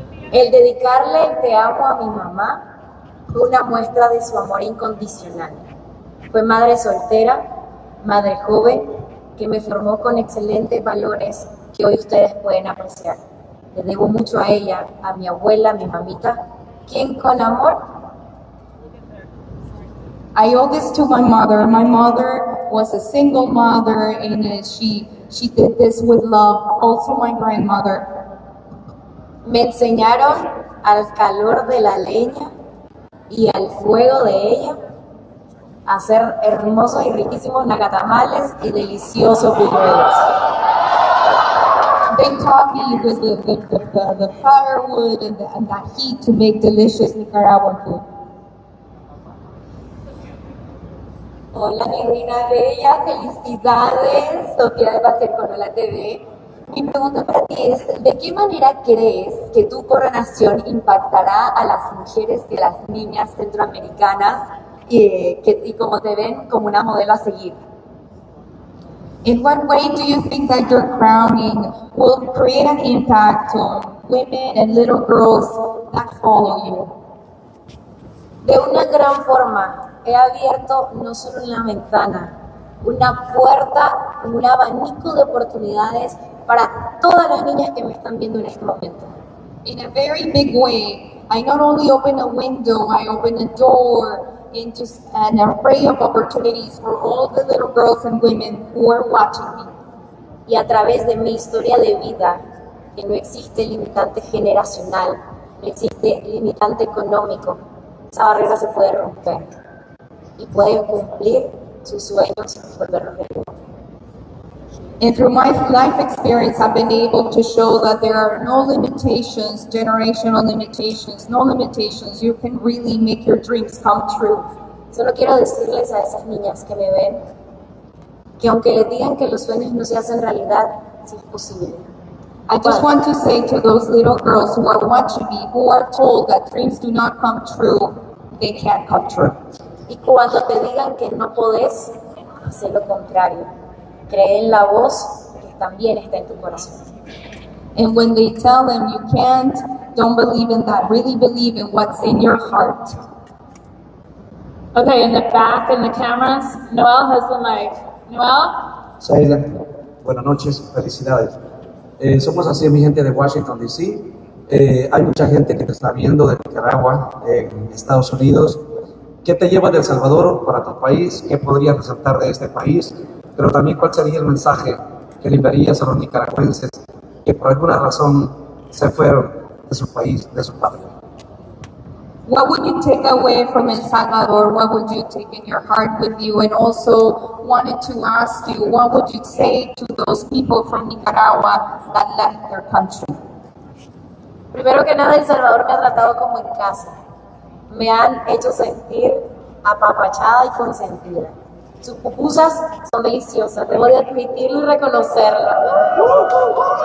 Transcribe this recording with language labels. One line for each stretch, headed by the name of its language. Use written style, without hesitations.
Spanish: El dedicarle el te amo a mi mamá fue una muestra de su amor incondicional. Fue madre soltera, madre joven, que me formó con excelentes valores que hoy ustedes pueden apreciar. Le debo mucho a ella, a mi abuela, a mi mamita, quien con amor.
English: I owe this to my mother. My mother was a single mother and she did this with love. Also my grandmother.
Spanish: Me enseñaron al calor de la leña y al fuego de ella a hacer hermosos y riquísimos nacatamales y deliciosos buñuelos.
English: They taught me with the firewood and that heat to make delicious Nicaraguan food.
Spanish: Hola, mi reina bella, felicidades, Sofía de Pacer Corona TV. Mi pregunta para ti es, ¿de qué manera crees que tu coronación impactará a las mujeres y a las niñas centroamericanas y como te ven como una modelo a seguir?
English: In what way do you think that your crowning will create an impact on women and little girls that follow you?
Spanish: De una gran forma. He abierto no solo una ventana, una puerta, un abanico de oportunidades para todas las niñas que me están viendo en este momento.
English: In a very big way, I not only open a window, I open a door into an array of opportunities for all the little girls and women who are watching me.
Spanish: Y a través de mi historia de vida, que no existe limitante generacional, no existe limitante económico, esa barrera se puede romper. y pueden cumplir sus sueños por ver el mundo.
English: And through my life experience, I've been able to show that there are no limitations, generational limitations, no limitations. You can really make your dreams come true.
Spanish: Solo quiero decirles a esas niñas que me ven que aunque les digan que los sueños no se hacen realidad, sí es posible.
English: I just want to say to those little girls who are watching me, who are told that dreams do not come true, they can't come true.
Spanish: Y cuando te digan que no podés, sé lo contrario. Cree en la voz que también está en tu corazón.
English: And when they tell them you can't, don't believe in that. Really believe in what's in your heart. Okay, in the back, in the cameras, Noel has the mic. Noel?
Spanish: Saida, buenas noches, felicidades. Somos así mi gente de Washington D.C. Hay mucha gente que te está viendo de Nicaragua, en Estados Unidos. ¿Qué te lleva de El Salvador para tu país? ¿Qué podrías resaltar de este país? Pero también, ¿cuál sería el mensaje que le enviarías a los nicaragüenses que por alguna razón se fueron de su país, de su patria?
English: What would you take away from El Salvador? What would you take in your heart with you? And also wanted to ask you, what would you say to those people from Nicaragua that left their country?
Spanish: Primero que nada, El Salvador me ha tratado como en casa. Me han hecho sentir apapachada y consentida. Sus pupusas son deliciosas, debo de admitirlo y reconocerlo.